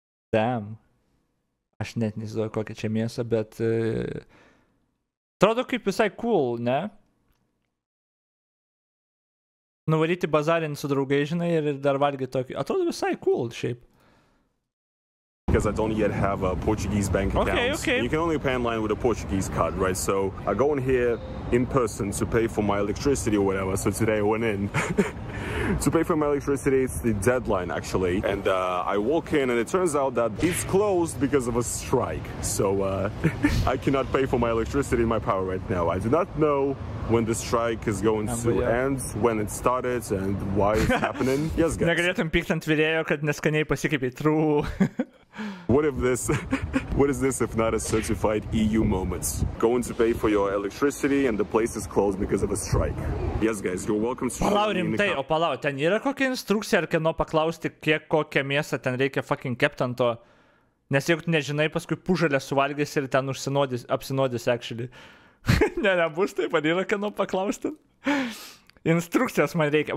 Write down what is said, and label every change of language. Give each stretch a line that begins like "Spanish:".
Lithuanian: Damn. Aš net nesidoju, kokia čia mėsa, bet... atrodo kaip visai cool, ne? Nuvaryti bazarinį su draugai, žinai, ir dar valgyti tokį. Atrodo visai cool, šiaip.
English: Because I don't yet have a Portuguese bank account. Okay. You can only pay online with a Portuguese card, right? So I go in here in person to pay for my electricity or whatever. So today I went in to pay for my electricity. It's the deadline, actually. And I walk in and it turns out that it's closed because of a strike. So I cannot pay for my electricity in my power right now. I do not know when the strike is going to end, when it started, and why it's happening. Yes, guys.
Lithuanian: Negalėtum pykti ant virėjo, kad neskaniai pasikeipė.
English: True. What is this if not a certified EU moment? Going to pay for your electricity and the place is closed because of a strike. Yes, guys, you're welcome to...
Lithuanian: Palau, rimtai, o palau, ten yra kokia instrukcija ar kieno paklausti, kiek kokią mėsą ten reikia fucking kept ant to? Nes jeigu tu nežinai, paskui pužalę suvalgysi ir ten užsinodys, apsinodys, actually. Nebus taip, ar yra kieno paklausti? Instrukcijos man reikia.